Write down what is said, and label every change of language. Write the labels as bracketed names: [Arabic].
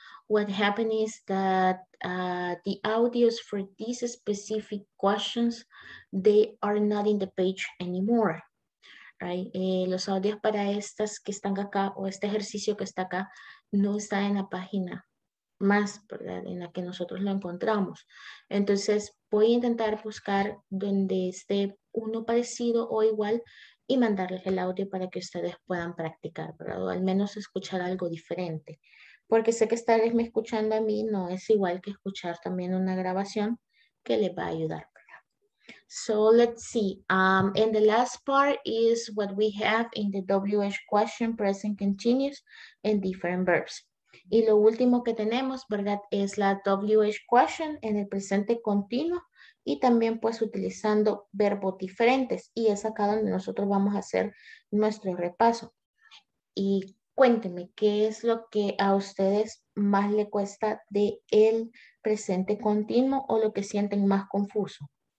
[English] What happened is that the audios for these specific questions, they are not in the page anymore, right? [Spanish] Los audios para estas que están acá o este ejercicio que está acá no está en la página más, ¿verdad? En la que nosotros lo encontramos. Entonces voy a intentar buscar donde esté uno parecido o igual y mandarles el audio para que ustedes puedan practicar, ¿verdad? O al menos escuchar algo diferente. Porque sé que estarles me escuchando a mí no es igual que escuchar también una grabación que les va a ayudar. [English] So let's see. And the last part is what we have in the WH question, present continuous and different verbs. [Spanish] Y lo último que tenemos, ¿verdad? Es la WH question en el presente continuo y también pues utilizando verbos diferentes. Y es acá donde nosotros vamos a hacer nuestro repaso. Y cuénteme, ¿qué es lo que a ustedes más le cuesta de el presente continuo o lo que sienten más confuso?